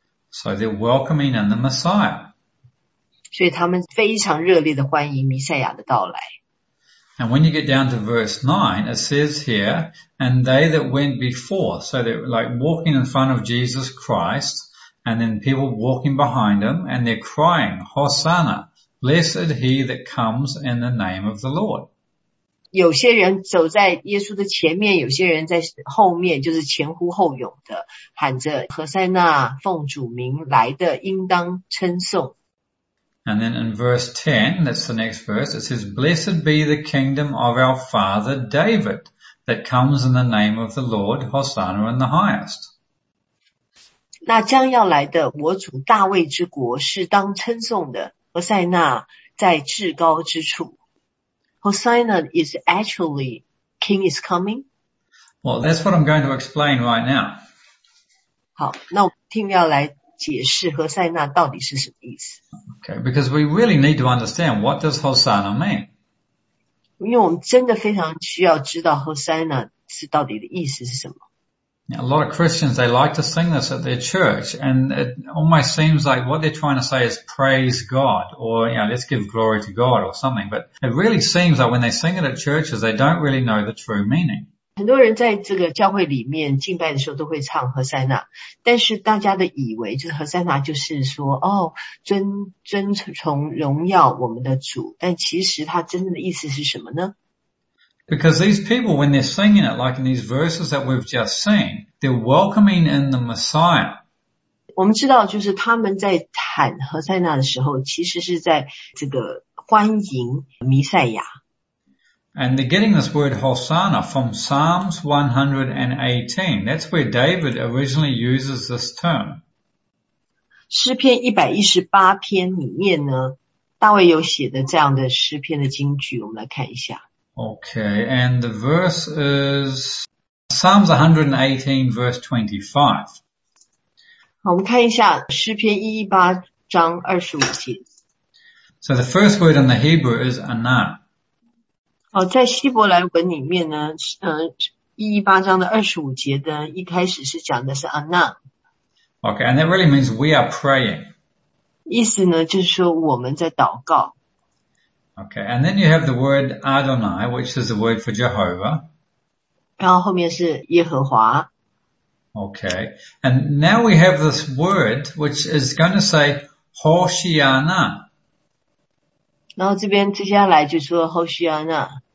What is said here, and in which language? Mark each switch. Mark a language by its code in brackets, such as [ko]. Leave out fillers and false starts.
[en] So they're welcoming in the Messiah. [zh] 所以他们非常热烈的欢迎弥赛亚的到来。 [en] And when you get down to verse 9, it says here, and they that went before, so they're like walking in front of Jesus Christ, and then people walking behind him, and they're crying, Hosanna, blessed he that comes in the name of the Lord. [zh] 有些人走在耶稣的前面，有些人在后面，就是前呼后拥的，喊着何塞纳，奉主名来的，应当称颂。 [en] And then in verse 10, that's the next verse, it says, Blessed be the kingdom of our father David, that comes in the name of the Lord, Hosanna in the highest. [zh] 那将要来的我主大卫之国是当称颂的，何塞纳在至高之处。 [en] Hosanna is actually, king is coming? Well, that's what I'm going to explain right now. [zh] 好，那我听要来解释何塞纳到底是什么意思。 [en] Okay, because we really need to understand what does Hosanna mean? [zh] 因为我们真的非常需要知道 Hosanna 是到底的意思是什么。 [en] Now, a lot of Christians, they like to sing this at their church, and it almost seems like what they're trying to say is praise God, or, you know, let's give glory to God or something, but it really seems like when they sing it at churches, they don't really know the true meaning. [zh] 很多人在这个教会里面敬拜的时候都会唱 Hosanna, 但是大家的以为就是 Hosanna 就是说哦尊崇荣耀我们的主，但其实它真正的意思是什么呢？ [en] Because these people, when they're singing it, like in these verses that we've just seen, they're welcoming in the Messiah. [zh] 我们知道就是他们在喊 Hosanna 的时候其实是在这个欢迎弥赛亚。 [en] And they're getting this word Hosanna from Psalms 118. That's where David originally uses this term. [zh] 诗篇118篇里面呢，大卫有写的这样的诗篇的金句，我们来看一下。 [en] Okay, and the verse is Psalms 118 verse 25. [zh] 好，我们看一下诗篇118章25节。 [en] So the first word in the Hebrew is Ana. [zh] 好，在希伯来文里面呢，118章的25节的一开始是讲的是 Ana。 [en] Okay, and that really means we are praying. [zh] 意思呢，就是说我们在祷告。 [en] Okay, and then you have the word Adonai, which is the word for Jehovah. [zh] 然后后面是耶和华。 [en] Okay, and now we have this word, which is going to say Hoshiana. [zh] 然后这边接下来就说 Hoshiana.